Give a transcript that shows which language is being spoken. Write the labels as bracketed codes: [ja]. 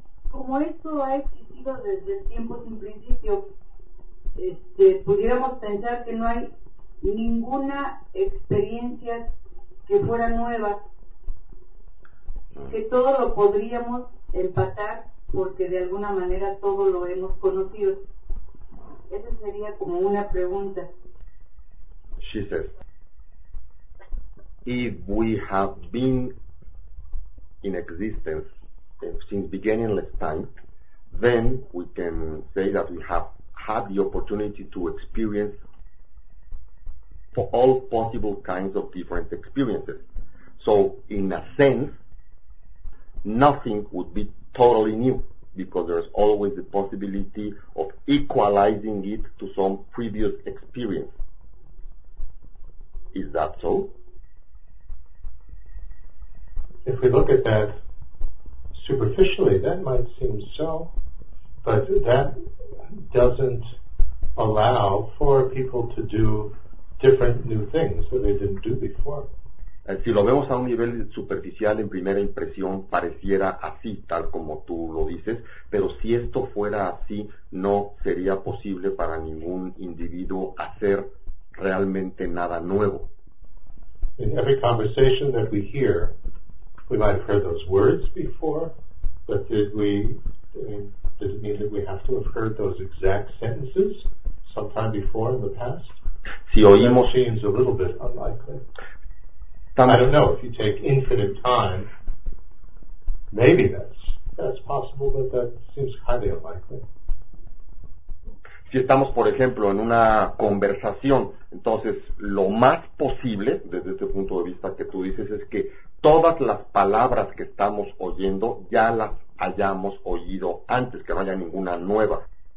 [es] Como esto ha existido desde el tiempo sin principio, pudiéramos pensar que no hay ninguna experiencia que fuera nueva, que todo lo podríamos empatar porque de alguna manera todo lo hemos conocido. Esa sería como una pregunta. [en] She says, if we have been in existence since beginningless time, then we can say that we have had the opportunity to experience for all possible kinds of different experiences. So, in a sense, nothing would be totally new, because there's always the possibility of equalizing it to some previous experience. Is that so? If we look at that superficially, that might seem so, but that doesn't allow for people to do different new things that they didn't do before. [es] Si lo vemos a un nivel superficial, en primera impresión, pareciera así, tal como tú lo dices, pero si esto fuera así, no sería posible para ningún individuo hacer realmente nada nuevo. [en] In every conversation that we hear, we might have heard those words before, but does it mean that we have to have heard those exact sentences sometime before in the past? [es] Si oímos, [en] that seems a little bit unlikely. I don't know, if you take infinite time, maybe that's possible, but that seems highly unlikely. [es] Si estamos, por ejemplo, en una conversación, entonces lo más posible, desde este punto de vista que tú dices, es que todas las palabras que estamos oyendo ya las hayamos oído antes, que no haya ninguna nueva.